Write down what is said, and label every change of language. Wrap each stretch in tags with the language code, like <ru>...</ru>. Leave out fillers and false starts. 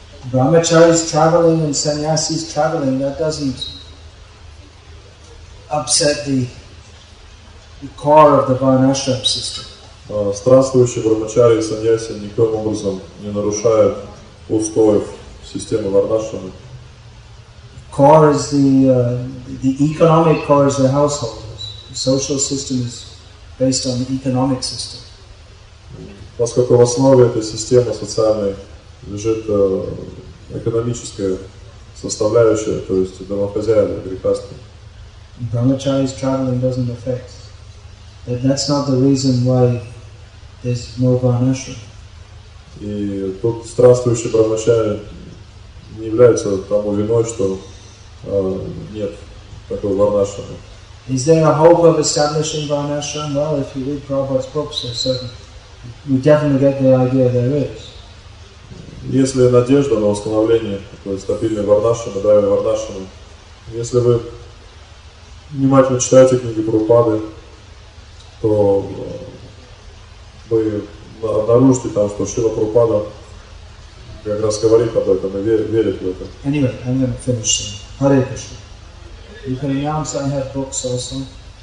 <en>Brahmacharis traveling and sannyasis traveling, that doesn't upset the core of the Varnashram system.</en> <ru>Странствующие брахмачари и саньяси никаким образом не нарушают устоев системы варнашрамы.</ru> <en>Core is the economic core is the household. The social system is based on the economic system.</en> <ru>Поскольку в основе этой системы социальной лежит экономическая составляющая, то есть домохозяева, грехасты.</ru> <en>Brahmacharis traveling doesn't affect. That's not the reason why there's no varnashram.</en> <ru>И тот странствующий брахмачари не является тому виной, что нет такого варнашрама.</ru> <en>Is there a hope of establishing varnashram? Well, if you read Prabhupada's books, there's certain. We definitely get the idea there is.</en> <ru>Если надежда на установление такой стабильной варнашрамы, да, варнашрамы, если вы внимательно читаете книги Прабхупады, то вы обнаружите там, что Шрила Прабхупада как раз говорит об этом и верит в это.</ru> <en>Anyway, I'm going to finish soon. Hare Krishna. You can announce I have books also.</en>